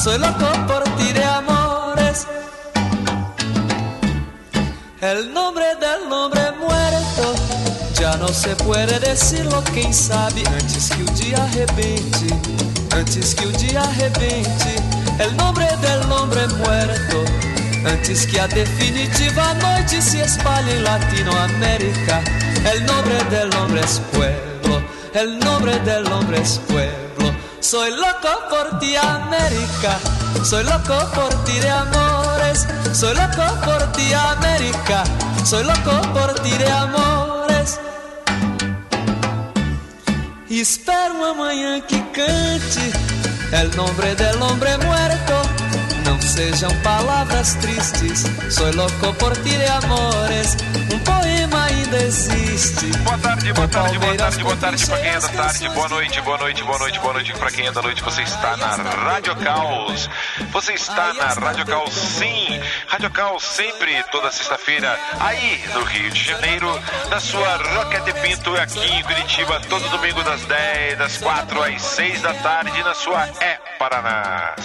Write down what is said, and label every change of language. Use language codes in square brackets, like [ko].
[es] Soy loco por ti de amores. El nombre del hombre muerto. Ya no se puede decirlo, quién sabe. Antes que un día arrebente. Antes que un día arrebente. El nombre del hombre muerto. [pt] Antes que a definitiva noite se espalhe em Latinoamérica. [es] El nombre del hombre es pueblo. El nombre del hombre es pueblo. Soy loco por ti, América. Soy loco por ti de amores. Soy loco por ti, América. Soy loco por ti de amores. [pt] Espero uma manhã que cante. [es] El nombre del hombre muerto. [pt] Sejam palavras tristes. [es] Soy loco por ti de amores. [pt] Um poema ainda existe. Boa tarde, boa tarde, boa tarde, boa tarde pra quem é da tarde. Boa noite, boa noite, boa noite, boa noite pra quem é da noite. Você está na Rádio Caos. Você está na Rádio Caos, sim. Rádio Caos sempre, toda sexta-feira, aí no Rio de Janeiro, na sua Roquete Pinto, aqui em Curitiba, todo domingo das 10, das 4 às 6 da tarde, na sua É Paraná.